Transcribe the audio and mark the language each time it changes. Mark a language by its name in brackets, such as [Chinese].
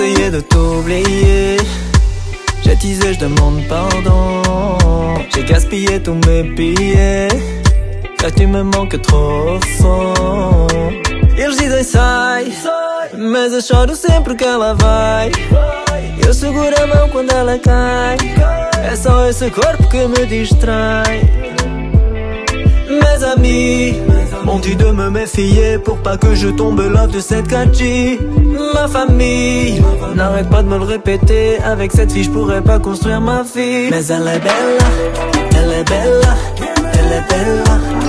[French] De t'oublier, j'ai teasé, je demande pardon. J'ai gaspillé tous mes billets, là tu me manques trop fort. Ils disent [Portuguese] sai, [French] mais je [Portuguese] choro sempre que ela vai. Eu seguro a mão quando ela cai. É só esse corpo que me distrai. [French] Mes amis m'ont dit de me méfier pour pas que je tombe love de cette Kachi. Ma famille n'arrête pas de me le répéter. Avec cette fille, je pourrais pas construire ma vie. Mais elle est belle, elle est belle, elle est belle.